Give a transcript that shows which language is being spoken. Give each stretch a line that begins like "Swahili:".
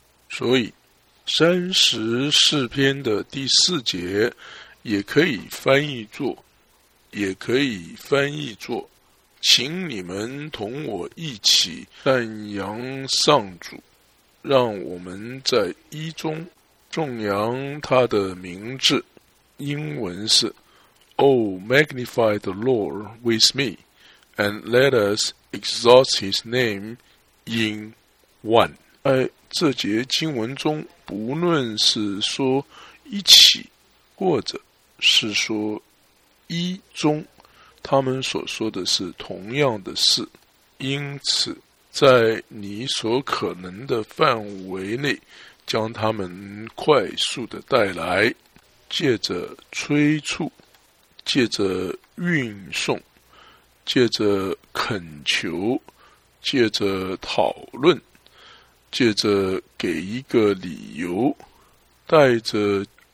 Chinese: 所以34篇的第4节也可以翻译作，请你们同我一起赞扬上主，让我们在一中颂扬他的名字。英文是
English: Oh, magnify the Lord with me, and let us exalt his name in one.
Chinese: 在这节经文中，不论是说一起，或者是说一中，他们所说的是同样的事。因此，在你所可能的范围内，将他们快速的带来，借着催促，借着运送，借着恳求，借着讨论，借着给一个理由，带着